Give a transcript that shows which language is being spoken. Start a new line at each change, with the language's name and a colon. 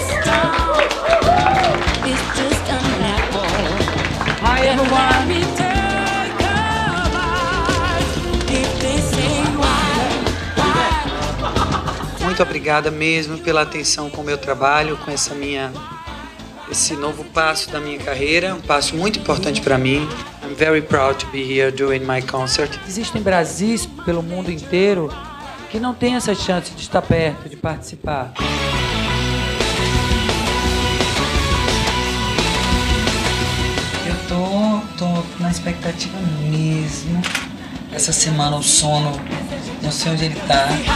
English: is just an apple. Hi everyone. If this
Portuguese: muito obrigada mesmo pela atenção com o meu trabalho, com essa minha, esse novo passo da minha carreira, um passo muito importante para mim.
English: I'm very proud to be here doing my concert.
Portuguese: Existem Brasis pelo mundo inteiro que não têm essa chance de estar perto, de participar. Eu tô na expectativa mesmo. Essa semana o sono, não sei onde ele tá.